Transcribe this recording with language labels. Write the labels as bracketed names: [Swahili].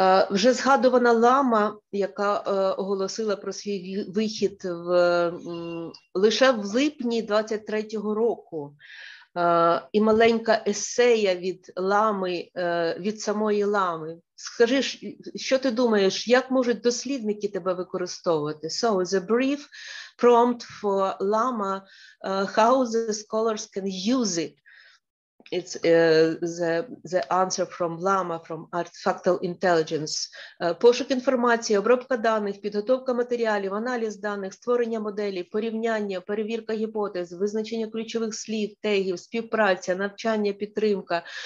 [Ukrainian] Вже згадувана Лама, яка оголосила про свій вихід в лише в липні 23-го року. І маленька есея від Лами, від самої Лами. Скажи, що ти думаєш, як можуть дослідники тебе використовувати? [English] So, the brief prompt for Llama, how the scholars can use it. It's the answer from LLAMA, from Artifactual Intelligence. [Ukrainian] Пошук інформації, обробка даних, підготовка матеріалів, аналіз даних, створення моделі, порівняння, перевірка гіпотез, визначення ключових слів, тегів, співпраця, навчання, підтримка.